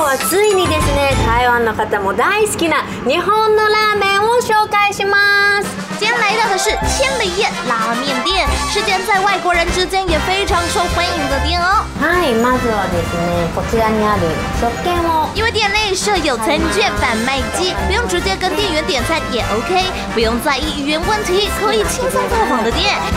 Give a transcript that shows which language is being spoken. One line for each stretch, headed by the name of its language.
Japanese: ついにですね、台湾の方も大好きな日本のラーメンを紹介します。
Chinese: 今天来到的是千里宴拉面店，是间在外国人之间也非常受欢迎的店哦。
Japanese: はい、まずはですね、こちらにある食券を。
Chinese: 因为店内设有餐券贩卖机，不用直接跟店员点餐也 OK， 不用在意语言问题，可以轻松拜访的店。